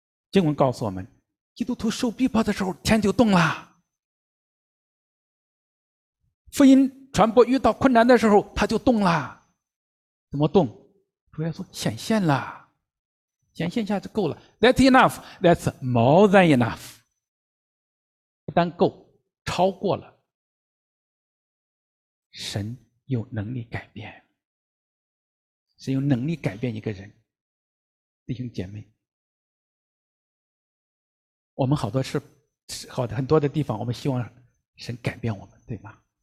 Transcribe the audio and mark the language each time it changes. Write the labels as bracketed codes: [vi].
[zh] 经文告诉我们，基督徒受逼迫的时候天就动了，福音传播遇到困难的时候他就动了。怎么动？主耶稣显现了，显现下就够了。 [en] That's enough， That's more than enough， [zh] 不但够，超过了。神有能力改变，神有能力改变一个人。弟兄姐妹，我们好多是好的，很多的地方我们希望神改变我们，对吗？